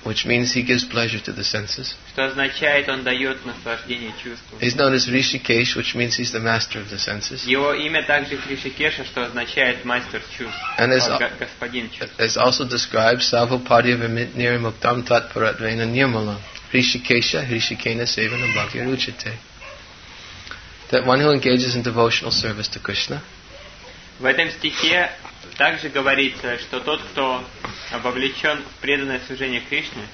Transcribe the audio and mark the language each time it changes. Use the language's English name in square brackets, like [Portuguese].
[English] Which means he gives pleasure to the senses. [Russian] Что означает, он дает наслаждение чувствам. [English] He's known as Rishikesh, which means he's the master of the senses. [Russian] Его имя также Ришикеша, что означает мастер чувств. [English] And [Russian] господин чувств. [English] As also described, [Sanskrit] Savopadi Vimitniramuktam Tatparatvena Nirmala. Rishikesha, Rishikena Sevanam Bhakti Ruchite. [English] That one who engages in devotional service to Krishna. [Russian] В этом стихе также говорится, что тот, кто вовлечен в преданное служение Кришне,